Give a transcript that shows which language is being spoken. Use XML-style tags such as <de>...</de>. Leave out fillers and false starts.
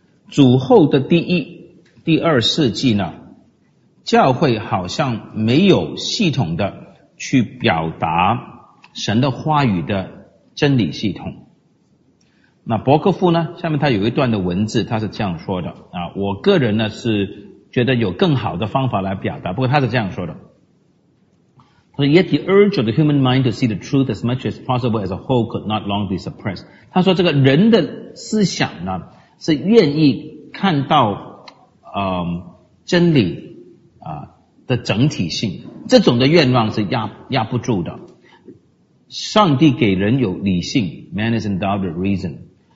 <zh>主后的第一、第二世纪呢，教会好像没有系统的去表达神的话语的真理系统。那伯克夫呢，下面他有一段的文字，他是这样说的啊，我个人呢是觉得有更好的方法来表达，不过他是这样说的。</zh> <en>他说 ,Yet the urge of the human mind to see the truth as much as possible as a whole could not long be suppressed.</en> <zh>他说这个人的思想呢是愿意看到真理的整体性，这种的愿望是压不住的。上帝给人有理性 ,</zh> <en>man is endowed with reason.</en>